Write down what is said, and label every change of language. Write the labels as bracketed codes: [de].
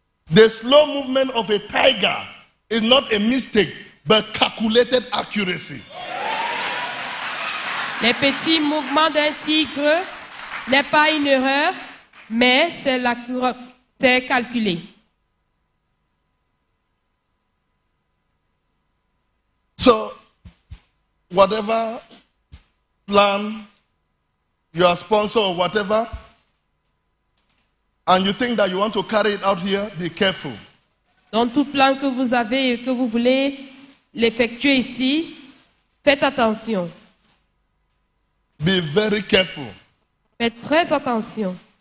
[en] The slow movement of a tiger is not a mistake, but calculated accuracy. [fr] Les petits mouvements d'un tigre n'est pas une erreur, mais c'est calculé. [en] So, whatever plan you are sponsor or whatever, and you think that you want to carry it out here, be careful. [fr] Dans tout plan que vous avez et que vous voulez l'effectuer ici, faites attention. [en] Be very careful. [fr] Faites très attention.